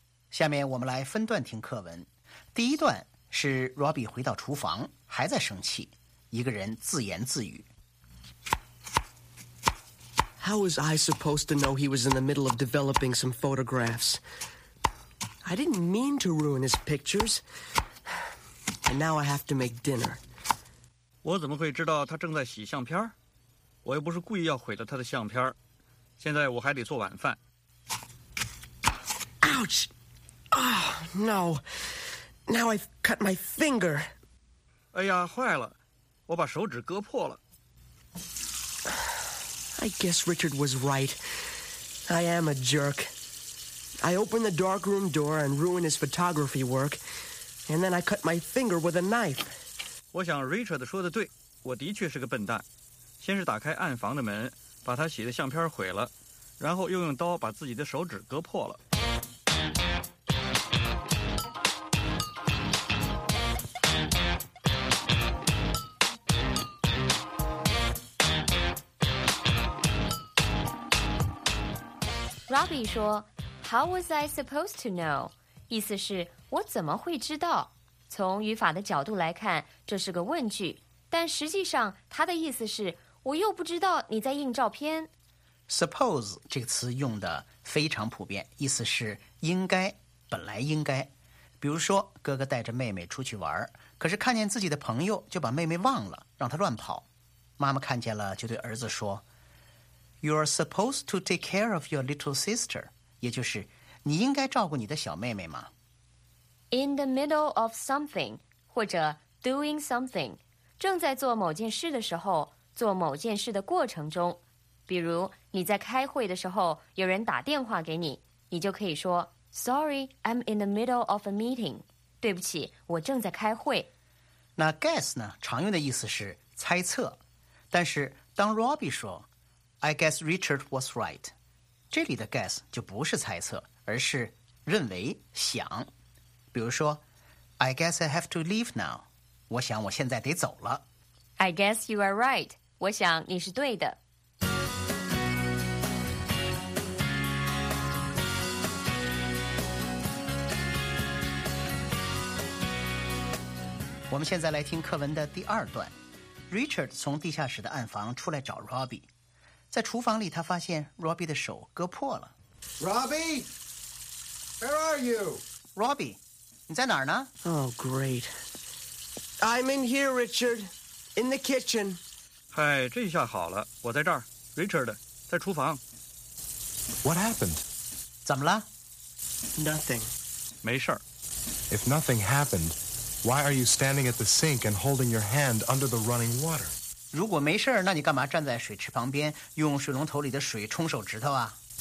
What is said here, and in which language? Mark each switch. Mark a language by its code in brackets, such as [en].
[zh] 下面我们来分段听课文。第一段是 Robbie 回到厨房还在生气，一个人自言自语。 [en] How was I supposed to know he was in the middle of developing some photographs? I didn't mean to ruin his pictures. And now I have to make dinner. [zh] 我怎么会知道他正在洗相片？我又不是故意要毁了他的相片。现在我还得做晚饭。 [en] Ouch! Oh, no. Now I've cut my finger. [zh] 哎呀，坏了，我把手指割破了。 [en] I guess Richard was right. I am a jerk. I opened the darkroom door and ruined his photography work, and then I cut my finger with a knife. [zh] 我想 Richard 说的对，我的确是个笨蛋。先是打开暗房的门，把他洗的相片毁了，然后又用刀把自己的手指割破了。 [en] Robbie [zh] 说 [en] How was I supposed to know? [zh] 意思是我怎么会知道？从语法的角度来看，这是个问句，但实际上他的意思是我又不知道你在印照片。 Suppose 这个词用的非常普遍，意思是应该，本来应该。比如说哥哥带着妹妹出去玩，可是看见自己的朋友就把妹妹忘了，让她乱跑。妈妈看见了就对儿子说 [en] You're supposed to take care of your little sister. [zh] 也就是你应该照顾你的小妹妹吗？ [en] In the middle of something, [zh] 或者 [en] doing something, [zh] 正在做某件事的时候，做某件事的过程中。比如你在开会的时候，有人打电话给你，你就可以说 [en] Sorry, I'm in the middle of a meeting. [zh] 对不起，我正在开会。那 guess 呢，常用的意思是猜测。但是当 [en] Robbie [zh] 说 [en] I guess Richard was right. [zh] 这里的 guess 就不是猜测，而是认为、想。比如说 [en] ，I guess I have to leave now. [zh] 我想我现在得走了。 [en] I guess you are right. [zh] 我想你是对的。我们现在来听课文的第二段。Richard 从地下室的暗房出来找 Robbie。在厨房里，他发现 Robbie 的手割破了。 [en] Robbie, where are you? [zh] Robbie, 你在哪儿呢 [en] ？Oh, great. I'm in here, Richard, in the kitchen. [zh] 嗨，这下好了，我在这儿。 Richard, 在厨房。 [en] What happened? [zh] 怎么了 [en] ？Nothing. [zh] 没事儿。 [en] If nothing happened, why are you standing at the sink and holding your hand under the running water? [zh] 如果没事儿，那你干嘛站在水池旁边用水龙头里的水冲手指头啊